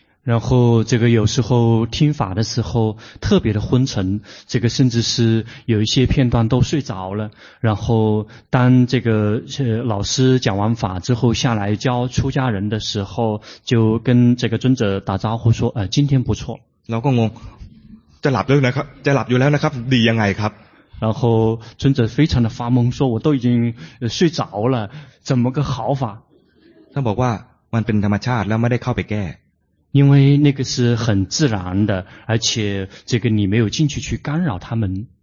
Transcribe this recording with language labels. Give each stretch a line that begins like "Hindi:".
Chinese: 然后这个有时候听法的时候特别的昏沉这个甚至是有一些片段都睡着了然后当这个老师讲完法之后下来教出家人的时候就跟这个尊者打招呼说今天不错老公公
Thai: จะหลับแล้วนะครับจะหลับอยู่แล้วนะครับดียังไงครับ
Chinese: 然后尊者非常的发懵说我都已经睡着了怎么个好法他
Thai: บอกว่ามันเป็นธรรมชาติแล้วไม่ได้เข้าไปแก้
Chinese: 因为那个是很自然的而且这个你没有进去去干扰他们